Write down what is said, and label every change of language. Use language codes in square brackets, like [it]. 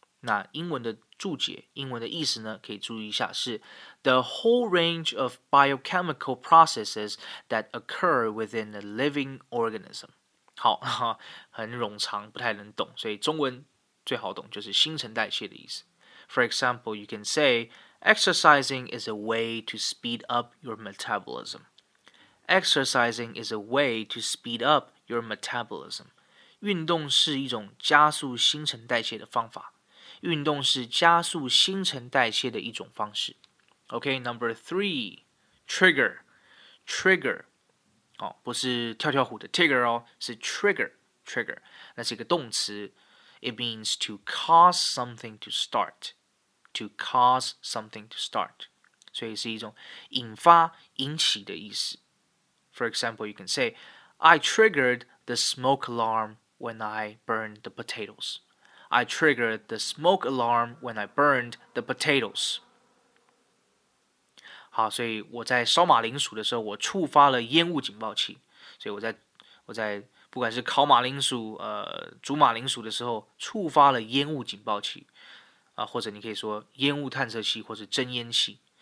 [zh] 那英文的注解，英文的意思呢，可以注意一下，是 [en] The whole range of biochemical processes that occur within a living organism. [zh] 好，很冗长，不太能懂，所以中文最好懂就是新陈代谢的意思。 [en] For example, you can say, exercising is a way to speed up your metabolism. Exercising is a way to speed up your metabolism. [zh] 运动是一种加速新陈代谢的方法。运动是加速新陈代谢的一种方式。 [en] OK, number three, trigger. Trigger,、 [zh] 哦、不是跳跳虎的 tigger 哦，是 trigger, trigger. 那是一个动词。 [en] It means to cause something to start. To cause something to start. [zh] 所以是一种引发、引起的意思。 [en] For example, you can say, I triggered the smoke alarm when I burned the potatoes. I triggered the smoke alarm when I burned the potatoes. [zh] 好，所以我在烧马铃薯的时候，我触发了烟雾警报器。所以我在不管是烤马铃薯、煮马铃薯的时候触发了烟雾警报器、或者你可以说烟雾探测器或者侦烟器。